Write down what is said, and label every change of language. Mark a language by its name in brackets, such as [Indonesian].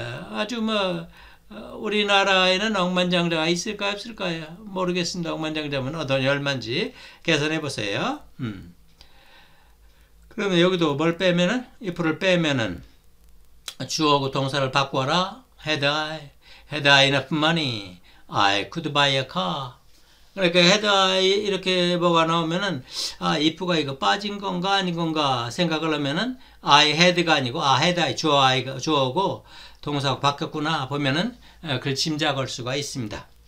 [Korean] 아주 뭐, 우리나라에는 억만장자가 있을까요? 없을까요? 모르겠습니다. 억만장자면 어떤 열만지 계산해 보세요. 그러면 여기도 뭘 빼면은? if를 빼면은 주어하고 동사를 바꿔라. [English] Had I enough money, I could buy a car. [Korean] 그러니까 had I 이렇게 뭐가 나오면은 if가 이거 빠진 건가 아닌 건가 생각을 하면은 I had가 아니고 had I 주어하고 동사하고 바뀌었구나 보면은 그걸 짐작할 수가 있습니다.